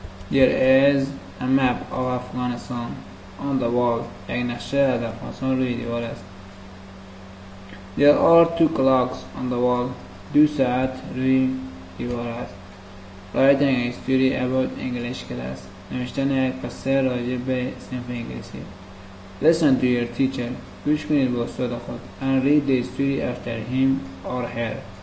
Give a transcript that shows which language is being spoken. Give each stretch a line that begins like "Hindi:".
English: There is a map of Afghanistan on the wall.
Persian: یک نقشه از افغانستان روی دیوار است.
English: There are 2 clocks on the wall.
Persian: 2 ساعت روی دیوار است.
English: Writing a story about English class.
Persian: نوشتن یک قصه راجع به صنف انگلیسی.
English: Listen to your teacher.
Persian: گوش کنید به استاد خود.
English: And read the story after him or her.